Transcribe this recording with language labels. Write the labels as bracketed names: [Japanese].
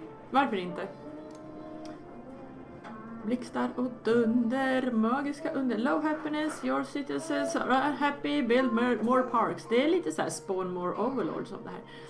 [Swedish] Varför inte? Blixtar och dunder, magiska under. [English] Low happiness, your citizens are happy, build more parks. [Swedish] Det är lite så här [English] spawn more overlords [Swedish] av det här.